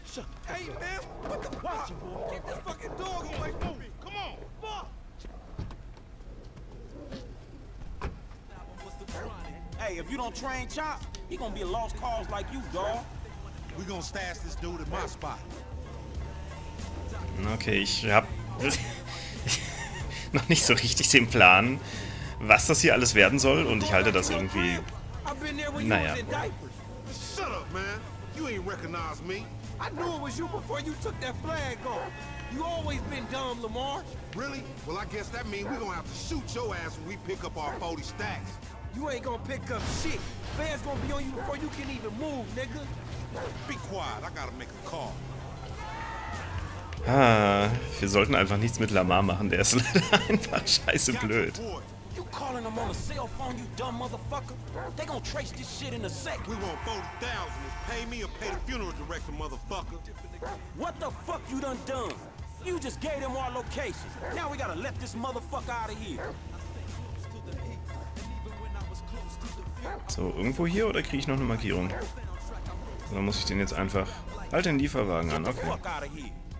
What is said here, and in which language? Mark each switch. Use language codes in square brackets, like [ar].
[en] Shut the fuck hey, up. Man, what the fuck? Watch you, boy. Get this fucking dog away from me! Come on! Fuck! Hey, if you don't train Chop, he gonna be a lost cause like you, dog. We gonna stash this dude in my spot. [de] Okay, ich hab noch nicht so richtig den Plan, was das hier alles werden soll, und ich halte das irgendwie. Naja. [en] Shut up, man. You ain't recognize me. I knew it was you before you took that flag off. You always been dumb, Lamar. Really? Well, I guess that means we gonna have to shoot your ass when we pick up our 40 stacks. You ain't gonna pick up shit. Fans gonna be on you before you can even move, nigga. Be quiet, I gotta make a call. [de] Ah, wir sollten einfach nichts mit Lamar machen, der ist leider einfach scheiße blöd. [en] You calling them on a cell phone, you dumb motherfucker? They gonna trace this shit in a sec. We want 40,000. Pay me or pay the funeral director, motherfucker. What the fuck you done done? You just gave them our location. Now we gotta let this motherfucker out of here. [de] So, irgendwo hier oder kriege ich noch eine Markierung? Oder muss ich den jetzt einfach. Halt den Lieferwagen an, okay.